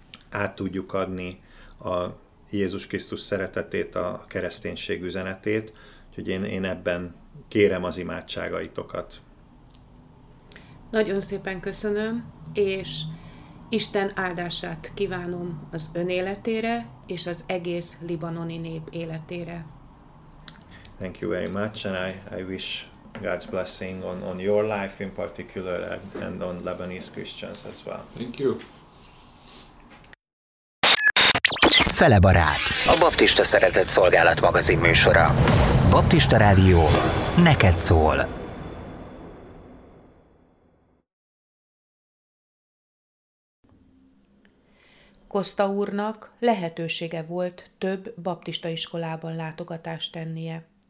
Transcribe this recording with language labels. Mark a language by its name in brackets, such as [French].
[Hungarian] át tudjuk adni a Jézus Krisztus szeretetét, a kereszténység üzenetét. Úgyhogy én ebben kérem az imádságaitokat. Nagyon szépen köszönöm, és Isten áldását kívánom az ön életére és az egész libanoni nép életére. [English] Thank you very much, and I wish God's blessing on your life in particular and on Lebanese Christians as well. Thank you. [Hungarian] Fele barát. A Baptista Szeretett Szolgálat magazin műsora. Baptista Rádió. Neked szól. Costa úrnak lehetősége volt több baptista iskolában látogatást tennie.